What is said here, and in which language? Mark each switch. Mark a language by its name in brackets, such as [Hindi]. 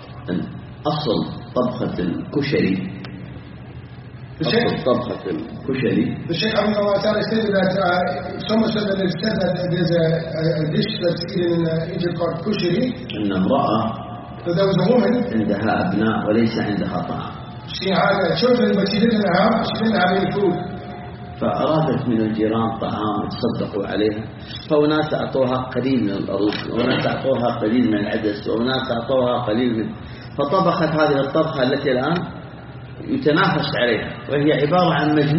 [Arabic] أن أصل طبخة الكشري أصل طبخة الكشري الشيخ عبد الله تعالى [English] said that some said that they said that there's a dish that's eaten in Egypt called kushari [Arabic] أن امرأة [English] that there was a woman [Arabic] عندها أبناء وليس عندها طعام [English] she had children but she didn't have any food [Arabic] فأرادت من الجيران طعام تصدقوا عليها فأناس أعطوها قليل من الأرز وأناس أعطوها قليل من العدس وأناس أعطوها قليل من فطبخت هذه الطبخة التي الآن يتنافس عليها وهي عبارة عن